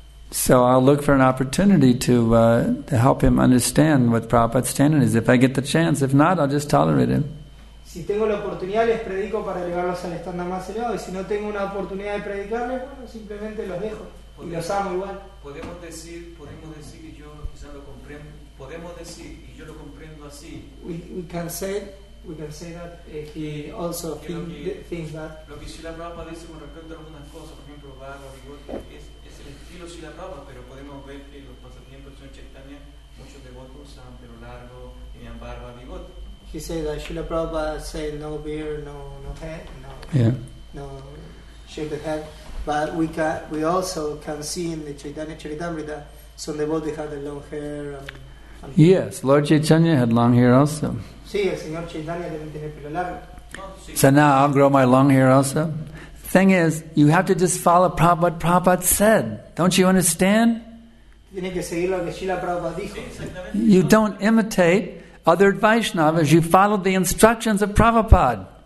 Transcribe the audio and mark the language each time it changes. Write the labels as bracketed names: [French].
[English] So I'll look for an opportunity to help him understand what Prabhupada's standard is if I get the chance. If not, I'll just tolerate him. [Spanish] Si tengo la oportunidad, les predico para llevarlos al estándar más elevado. Y si no tengo una oportunidad de predicarles, bueno, simplemente los dejo y los amo igual. Podemos decir que yo quizás lo comprendo. Podemos decir y yo lo comprendo así. [English] We can say that he also thinks that. [Spanish] Lo que Shila Prabhupada dice con respecto a algunas cosas, por ejemplo, barba, bigote, es el estilo Shila Prabhupada, pero podemos ver que los pasatiempos son Chaitanya, muchos devotos usan pelo largo, tenían barba, bigote. [English] He said that Shila Prabhupada said no beard, no head, no, yeah, no shave the head, but we also can see in the Chaitanya Charitamrita some devotees have the long hair. Yes, Lord Chaitanya had long hair also. [Spanish] Sí, el señor Chaitanya también tiene pelo largo. [English] So now I'll grow my long hair also. Thing is, you have to just follow Prabhupada said. Don't you understand? [Spanish] Tiene que seguir lo que Srila Prabhupada dijo. [English] You don't imitate other Vaishnavas, you followed the instructions of Prabhupada.